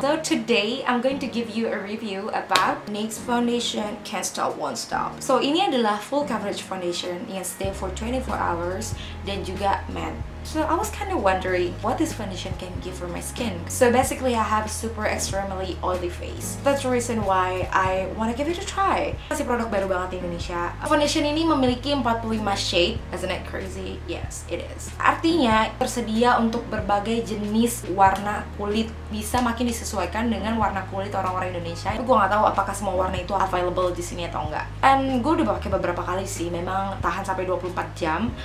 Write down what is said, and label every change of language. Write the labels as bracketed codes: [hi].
[en] So today I'm going to give you a review about NYX foundation Can't Stop Won't Stop. So [id] ini adalah [en] full coverage foundation yang stay for 24 hours [id] dan juga [en] matte. So I was kind of wondering what this foundation can give for my skin. So basically I have super extremely oily face. That's the reason why I wanna give it a try. [id] Masih produk baru banget di Indonesia. Foundation ini memiliki 45 shade. [en] Isn't it crazy? Yes, it is. [id] Artinya tersedia untuk berbagai jenis warna kulit. Bisa makin disesuaikan dengan warna kulit orang-orang Indonesia. Tapi gue gak tahu apakah semua warna itu available di sini atau enggak. And gue udah pakai beberapa kali sih. Memang tahan sampai 24 jam.